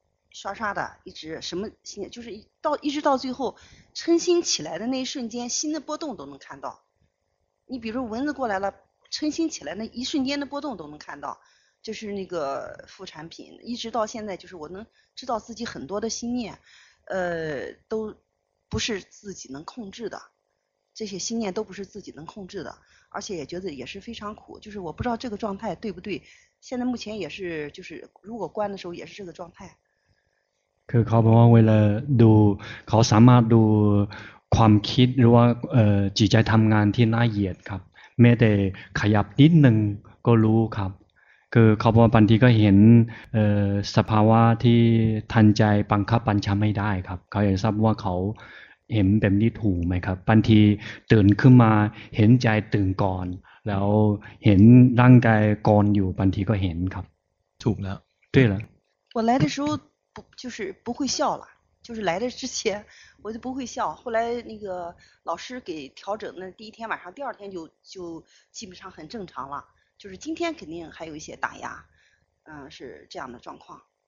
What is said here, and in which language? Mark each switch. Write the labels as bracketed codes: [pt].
[zh] 刷刷的一直什么心念就是一直到最后称心起来的那一瞬间心的波动都能看到你比如蚊子过来了称心起来那一瞬间的波动都能看到就是那个副产品一直到现在就是我能知道自己很多的心念都不是自己能控制的这些心念都不是自己能控制的而且也觉得也是非常苦就是我不知道这个状态对不对现在目前也是就是如果关的时候也是这个状态 [th] คือเขาบอกว่าเวลาดูเขาสามารถดูความคิดหรือว่าจิตใจทำงานที่น่าเหยียดครับ ม้แต่ขยับนิดนึงก็รู้ครับคือเขาบอกบางทีก็เห็นสภาวะที่ทันใจบังคับบัญชาไม่ได้ครับเขาอยากทราบว่าเขาเห็นแบบนี้ถูกไหมครับบางทีตื่นขึ้นมาเห็นใจตื่นก่อนแล้วเห็นร่างกายก่อนอยู่บางทีก็เห็นครับ ถูกแล้ว ใช่แล้ว [zh] 我来的时候不就是不会笑了就是来的之前我就不会笑后来那个老师给调整那第一天晚上第二天就基本上很正常了就是今天肯定还有一些打压嗯是这样的状况